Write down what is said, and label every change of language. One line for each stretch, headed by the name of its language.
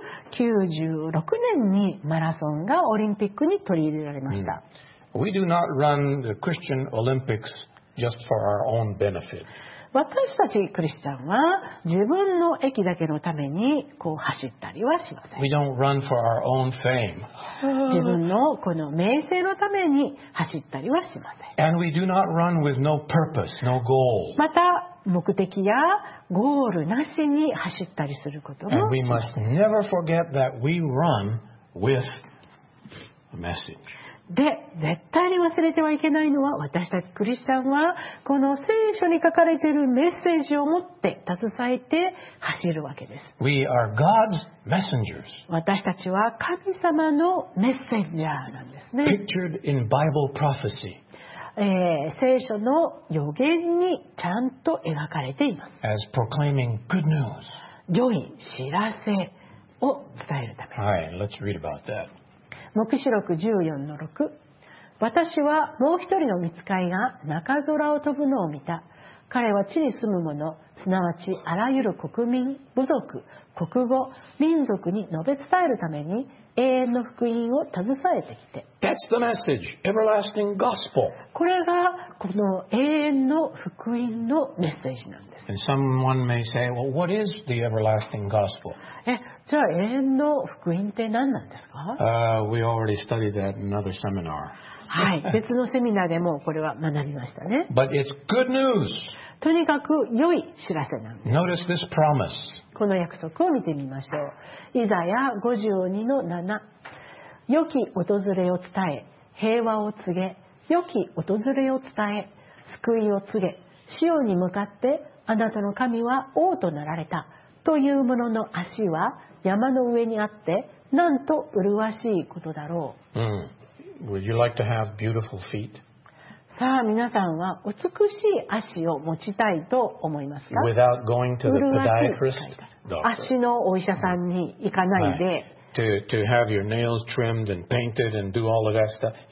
Japanese: 1896年にマラソンがオリンピックに取り入れられました。
English: We do not run the Christian Olympics just for our own benefit.
Japanese: 私たちクリスチャンは自分の益だけのためにこう走ったりはしません。
English: We don't run for our own fame.
Japanese: 自分のこの名声のために走ったりはしません。
English: And we do not run with no purpose, no goal.
Japanese: また目的やゴールなしに走ったりすることもしません。
English: And we must never forget that we run with a message.
Japanese: で、絶対に忘れてはいけないのは、私たちクリスチャンはこの聖書に書かれているメッセージを持って携えて走るわけです。
English: We are God's messengers.
Japanese: 私たちは神様のメッセンジャーなんですね。
English: Pictured in Bible prophecy.
Japanese: 聖書の予言にちゃんと描かれています。
English: As proclaiming good news.
Japanese: 良い知らせを伝えるため。
English: All right, let's read about that.
Japanese: 黙示録14-6。私はもう一人の御使いが中空を飛ぶのを見た。彼は地に住む者、すなわちあらゆる国民、部族、国語、民族に述べ伝えるために永遠の福音を携えてきて。
English: That's the message, everlasting gospel.
Japanese: これがこの永遠の福音のメッセージなんです。
English: And someone may say, well, what is the everlasting gospel?
Japanese: じゃあ永遠の福音って何なんですか？
English: We already studied that in another seminar.
Japanese: はい、別のセミナーでもこれは学びましたね。
English: But it's good news.
Japanese: とにかく良い知らせなんです。
English: Notice this promise.
Japanese: この約束を見てみましょう。イザヤ 52-7。良き訪れを伝え、平和を告げ、良き訪れを伝え、救いを告げ、シオンに向かってあなたの神は王となられた。というものの足は山の上にあって、なんと麗しいことだろう。
English: Would you like to have beautiful feet?
Japanese: さあ皆さんは美しい足を持ちたいと思いますか？
English: Without going to the podiatrist doctor.
Japanese: 足のお医者さんに行かないで。
English: To have your nails trimmed and painted and do all of that stuff.